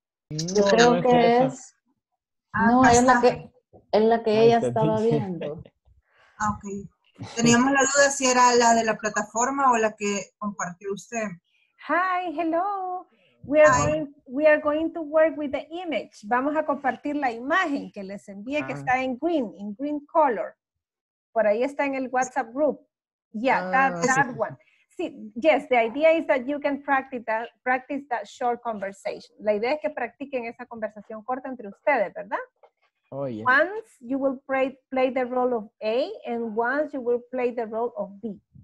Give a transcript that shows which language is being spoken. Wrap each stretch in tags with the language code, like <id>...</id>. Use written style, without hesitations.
<es>Yo creo que es en la que ella estaba viendo. Ok. Teníamos la duda si era la de la plataforma o la que compartió usted.</es> <en>Hi, hello. We are going to work with the image.</en> <es>Vamos a compartir la imagen que les envié que está en</es> <en>green color.</en> <es>Por ahí está en el WhatsApp group.</es> <en>Yeah, that one. Yes, the idea is that you can practice that short conversation.</en> <es>La idea es que practiquen esa conversación corta entre ustedes, ¿verdad? Oh, yeah.</es> <en>Once you will play the role of A and once you will play the role of B.</en>